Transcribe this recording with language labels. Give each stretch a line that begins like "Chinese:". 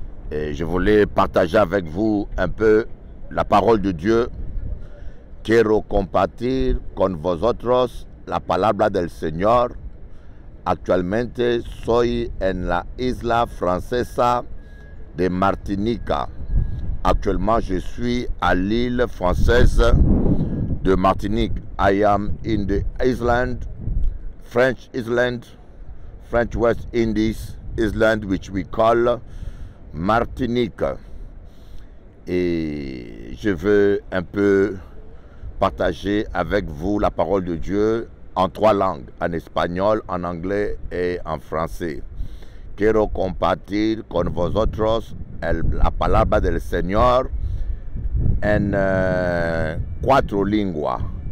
French: Et je voulais partager avec vous un peu la parole de Dieu.
Spanish: Quiero compartir con vosotros la palabra del Señor. Actualmente soy en la isla francesa de Martinica.
French: Actuellement, je suis à l'île française de Martinique.
English: I am in the island, French island, French West Indies island, which we call Martinique.
French: Et je veux un peu partager avec vous la parole de Dieu en trois langues, en espagnol, en anglais et en français.
Spanish: Quiero compartir con vosotros la palabra del Señor en cuatro lenguas.